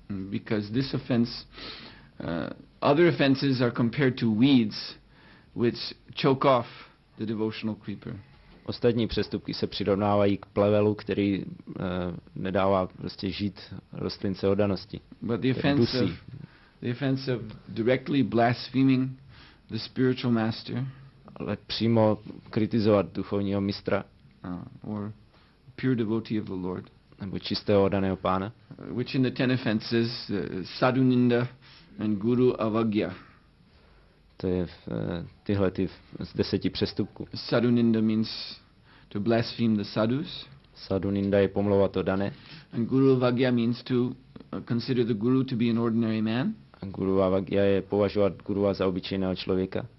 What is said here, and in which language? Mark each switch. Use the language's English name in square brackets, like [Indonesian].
[English] Because this offense, other offenses are compared to weeds which choke off the devotional creeper. [Czech] Ostatní přestupky se přirovnávají k plevelu, který nedává prostě žít rostlince oddanosti. [English] But the offense of directly blaspheming the spiritual master. [Czech] Ale přímo kritizovat duchovního mistra. [English] Or pure devotee of the Lord. [Czech] Nebo čistého oddaného pána. [English] Which in the ten offenses, sadhuninda and guru avagya. [Czech] To je tyhle ty z deseti přestupků. [English] Sadhuninda means to blaspheme the sadhus. [Czech] Sadhuninda je pomlouvat o dane. [English] And guru avagya means to consider the guru to be an ordinary man. [Czech] A guru avagya je považovat guruva za obyčejného člověka.